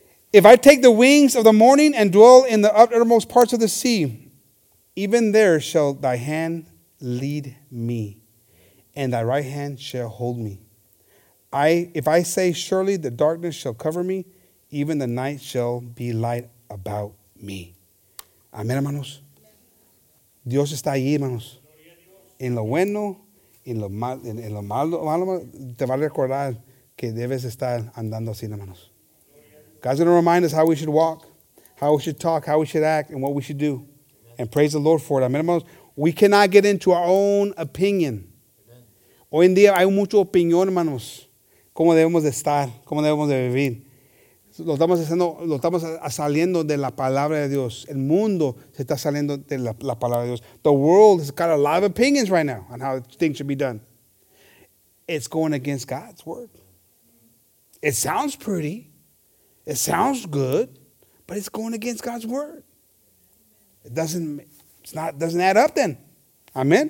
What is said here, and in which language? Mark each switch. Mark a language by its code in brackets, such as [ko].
[en] If I take the wings of the morning and dwell in the uttermost parts of the sea, even there shall thy hand lead me, and thy right hand shall hold me. If I say, surely the darkness shall cover me, even the night shall be light about me. [es] Amén, hermanos. Dios está ahí, hermanos. En lo bueno, en lo malo, te va a recordar que debes estar andando así, hermanos. [en] God's going to remind us how we should walk, how we should talk, how we should act, and what we should do. And praise the Lord for it. Amen, [es] hermanos. [en] We cannot get into our own opinion. Amen. [es] Hoy en día hay mucha opinión, hermanos. Cómo debemos de estar, cómo debemos de vivir. Lo estamos saliendo de la palabra de Dios. El mundo se está saliendo de la palabra de Dios. [en] The world has got a lot of opinions right now on how things should be done. It's going against God's word. It sounds pretty. It sounds good. But it's going against God's word. It doesn't add up then. Amen?